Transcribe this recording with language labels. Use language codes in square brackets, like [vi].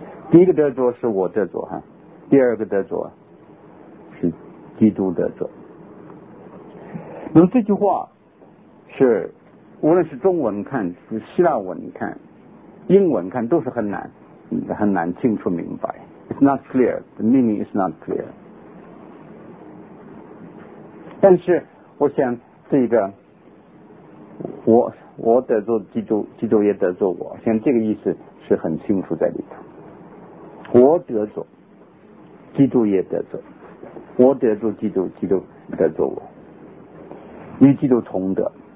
[zh] 第一个得着是我得着，第二个得着是基督得着。那么这句话是，无论是中文看、希腊文看、英文看都是很难。很难清楚明白， [en] it's not clear, the meaning is not clear. [zh] 但是我想这个我得着基督也得着我，像这个意思是很清楚在里头。我得着基督也得着，我得着基督，基督得着我，与基督同得。